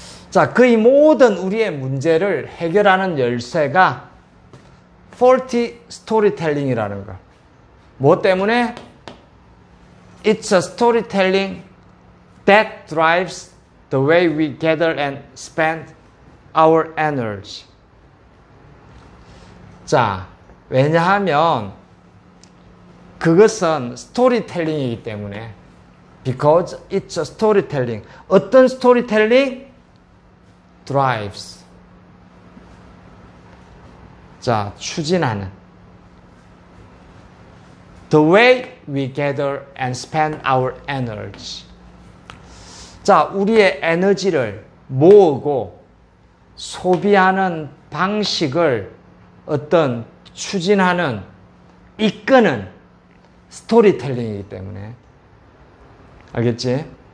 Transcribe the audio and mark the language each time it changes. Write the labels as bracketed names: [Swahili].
[Korean] 자, 거의 모든 우리의 문제를 해결하는 열쇠가 faulty storytelling 이라는 거. 뭐 때문에? [English] It's a storytelling that drives the way we gather and spend our energy. [Korean] 자, 왜냐하면 그것은 스토리텔링이기 때문에. [English] Because it's a storytelling. 어떤 스토리텔링? Drives. [Korean] 자, 추진하는. [English] The way we gather and spend our energy. [Korean] 자, 우리의 에너지를 모으고 소비하는 방식을 어떤 추진하는, 이끄는 스토리텔링이기 때문에. 알겠지?